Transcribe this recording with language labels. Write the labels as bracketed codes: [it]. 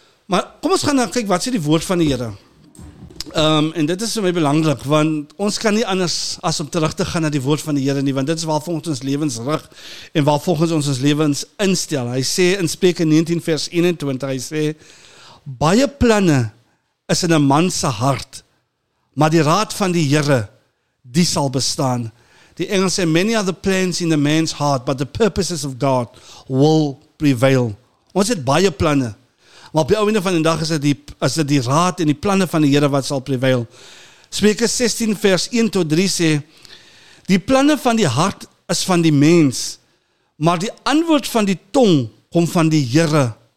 [af] Maar kom ons gaan dan kyk, wat sê die woord van die Here? En dit is vir my belangrik, want ons kan nie anders as om terug te gaan na die woord van die Here nie, want dit is waar volgens ons levens rig, en waar volgens ons levens instel. Hy sê in Spreuke 19 vers 21, hy sê, baie planne is in 'n man se hart, maar die raad van die Here, die sal bestaan. Die Engels sê, [en] many are the plans in the man's heart, but the purposes of God will prevail. [af] Ons het baie planne, maar op die einde van die dag is dit die raad en die planne van die Here wat sal prevail. Spreuke 16 vers 1 tot 3 sê, die planne van die hart is van die mens, maar die antwoord van die tong kom van die Here.